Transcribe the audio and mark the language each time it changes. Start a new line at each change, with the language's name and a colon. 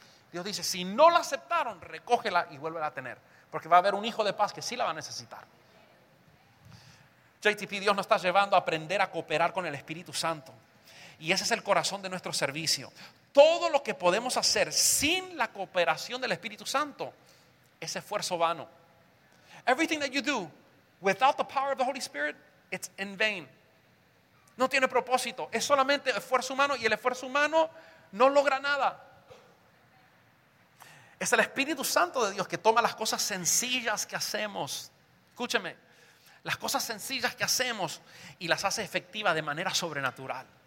Spanish: Dios dice, si no la aceptaron, recógela y vuélvela a tener, porque va a haber un hijo de paz que sí la va a necesitar. JTP, Dios nos está llevando a aprender a cooperar con el Espíritu Santo. Y ese es el corazón de nuestro servicio. Todo lo que podemos hacer sin la cooperación del Espíritu Santo es esfuerzo vano.
English: Everything that you do without the power of the Holy Spirit, it's in vain.
Spanish: No tiene propósito. Es solamente esfuerzo humano y el esfuerzo humano no logra nada. Es el Espíritu Santo de Dios que toma las cosas sencillas que hacemos. Escúcheme. Las cosas sencillas que hacemos y las hace efectivas de manera sobrenatural.